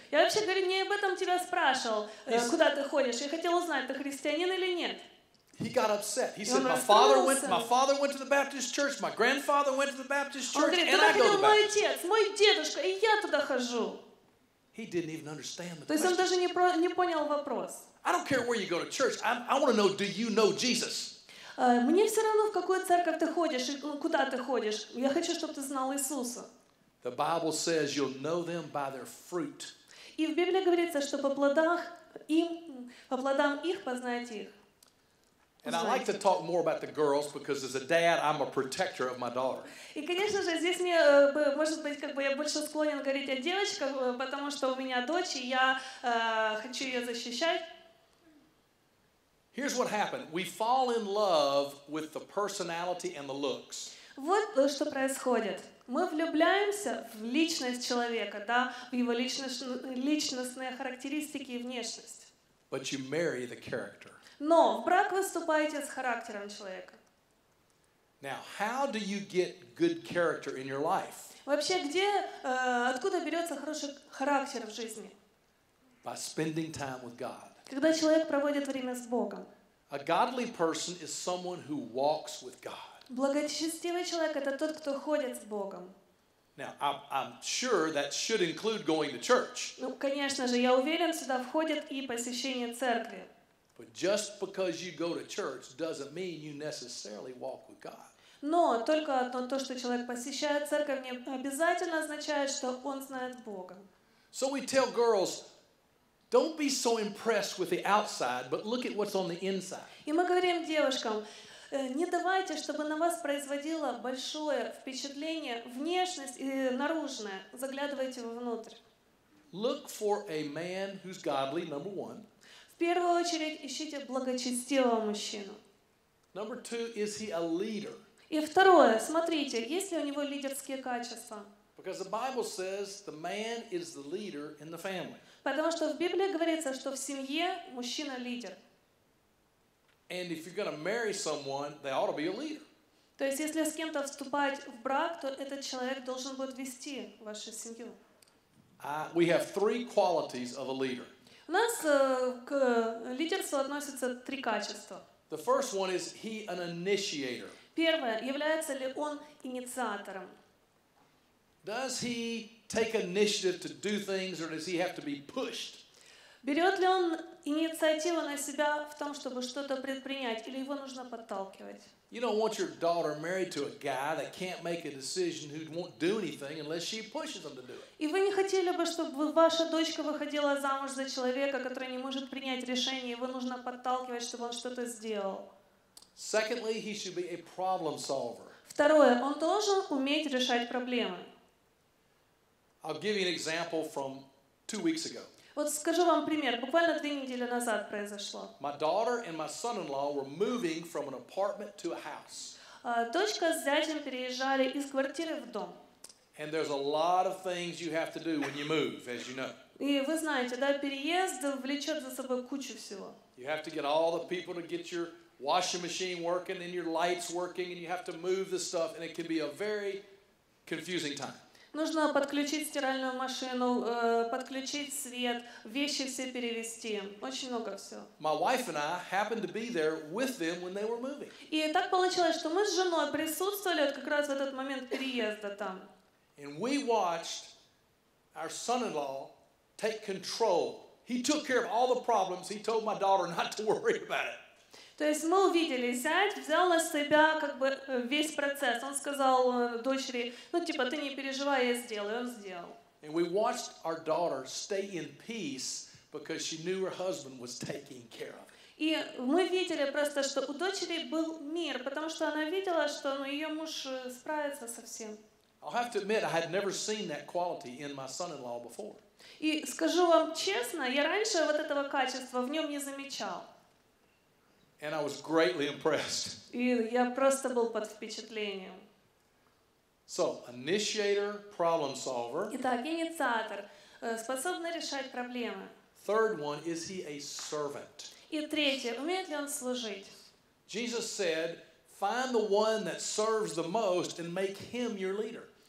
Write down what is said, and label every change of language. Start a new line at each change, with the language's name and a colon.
Russian: Я вообще говорю, не об этом тебя спрашивал, куда ты ходишь. Я хотел узнать, ты христианин или нет.
English: He got upset. He said, my father went to the Baptist church, my grandfather went to the Baptist church,
Russian: говорит,
English: and I go to the Baptist.
Russian: Мой отец, мой дедушка, и я туда хожу.
English: He didn't even understand the
Russian: То есть он даже не понял вопрос.
English: I don't care where you go to church. I want to know, do you know Jesus?
Russian: Мне все равно, в какую церковь ты ходишь и куда ты ходишь. Я хочу, чтобы ты знал Иисуса.
English: The Bible says you'll know them by their fruit.
Russian: И в Библии говорится, что по плодам их познаете их.
English: And I like to talk more about the girls because as a dad, I'm a protector of my daughter.
Russian: И конечно же, здесь мне может быть как бы я больше склонен говорить о девочках, потому что у меня дочь, и я хочу ее защищать.
English: Here's what happened. We fall in love with the personality and the looks.
Russian: Вот что происходит. Мы влюбляемся в личность человека, да, в его личностные характеристики и внешность.
English: But you marry the character.
Russian: Но в брак вы вступаете с характером человека.
English: Now, how do you get good character in your life?
Russian: Вообще, где, откуда берется хороший характер в жизни?
English: By spending time with God.
Russian: Когда человек проводит время с Богом.
English: A godly person is someone who walks with God.
Russian: Благочестивый человек — это тот, кто ходит с Богом.
English: Now, I'm sure that should include going to church.
Russian: Ну, конечно же, я уверен, сюда входит и посещение церкви.
English: But just because you go to church doesn't mean you necessarily walk with God.
Russian: Но только то, что человек посещает церковь, не обязательно означает, что он знает Бога.
English: So we tell girls, don't be so impressed with the outside, but look at what's on the inside.
Russian: И мы говорим девушкам, не давайте, чтобы на вас производило большое впечатление внешность и наружное. Заглядывайте вовнутрь.
English: Look for a man who's godly, number one.
Russian: В первую очередь ищите благочестивого мужчину.
English: Number two, is he a leader?
Russian: И второе, смотрите, есть ли у него лидерские качества?
English: Because the Bible says the man is the leader in the family.
Russian: Потому что в Библии говорится, что в семье мужчина лидер.
English: And if you're going to marry someone, they ought to be a leader.
Russian: То есть если с кем-то вступать в брак, то этот человек должен будет вести вашу семью.
English: We have three qualities of a leader.
Russian: У нас к лидерству относятся три качества.
English: The first one is he an initiator.
Russian: Первое, является ли он инициатором?
English: Does he take initiative to do things, or does he have to be pushed?
Russian: Берет ли он инициативу на себя в том, чтобы что-то предпринять, или его нужно подталкивать?
English: You don't want your daughter married to a guy that can't make a decision, who won't do anything unless she pushes him to do it.
Russian: И вы не хотели бы, чтобы ваша дочка выходила замуж за человека, который не может принять решение, его нужно подталкивать, чтобы он что-то сделал.
English: Secondly, he should be a problem solver.
Russian: Второе, он должен уметь решать проблемы.
English: I'll give you an example from 2 weeks ago.
Russian: Вот скажу вам пример. Буквально 2 недели назад произошло.
English: My daughter and my son-in-law were moving from an apartment to a house.
Russian: Дочка с зятем переезжали из квартиры в дом.
English: And there's a lot of things you have to do when you move, as you know.
Russian: И вы знаете, да, переезд влечет за собой кучу всего.
English: You have to get all the people to get your washing machine working and your lights working, and you have to move the stuff, and it can be a very confusing time.
Russian: Нужно подключить стиральную машину, подключить свет, вещи все перевезти. Очень много всего.
English: My wife and I happened to be there with them when they were moving.
Russian: И так получилось, что мы с женой присутствовали как раз в этот момент переезда там.
English: And we watched our son-in-law take control. He took care of all the problems. He told my daughter not to worry about it.
Russian: То есть мы увидели, зять взял на себя как бы весь процесс. Он сказал дочери, ну типа, ты не переживай, я сделаю, он сделал.
English: And we watched our daughter stay in peace because she knew her husband was taking care of it.
Russian: И мы видели просто, что у дочери был мир, потому что она видела, что ну, ее муж справится со всем.
English: I'll have to admit, I had never seen that quality in my son-in-law before.
Russian: И скажу вам честно, я раньше вот этого качества в нем не замечал.
English: And I was greatly impressed.
Russian: И я просто был под впечатлением.
English: So, initiator, problem solver.
Russian: Итак, инициатор, способный решать проблемы.
English: Third one, is he a servant?
Russian: И третье, умеет ли он служить?
English: Jesus said, find the one that serves the most and make him your leader.